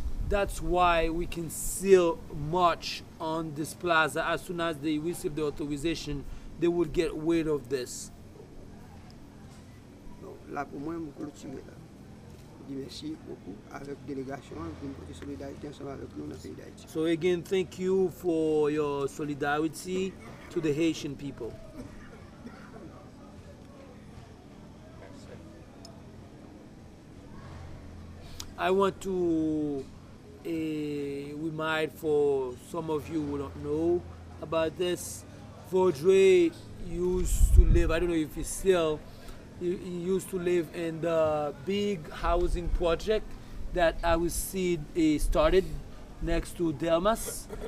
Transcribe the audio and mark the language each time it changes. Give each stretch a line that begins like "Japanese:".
English: That's why we can still march on this plaza. As soon as they receive the authorization, they will get rid of this.
French: Là pour moi, je continue. Je dis merci beaucoup avec la délégation pour une petite solidarité ensemble avec nous dans le pays d'Haïti.
English: So again, thank you for your solidarity to the Haitian people. I want to remind for some of you who don't know about this, Vaudre used to live, I don't know if he's still, he used to live in the big housing project that Aristide started next to Delmas.